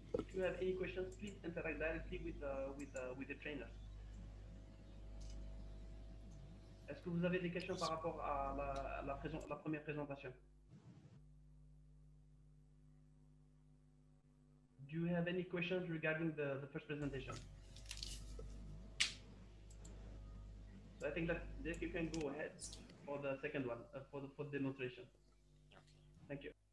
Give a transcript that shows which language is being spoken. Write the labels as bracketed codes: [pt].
[en] If you have any questions, please interact directly with the trainer. [fr] Est-ce que vous avez des questions par rapport à la première présentation? [en] Do you have any questions regarding the first presentation? So I think that you can go ahead for the second one, for the demonstration. Thank you.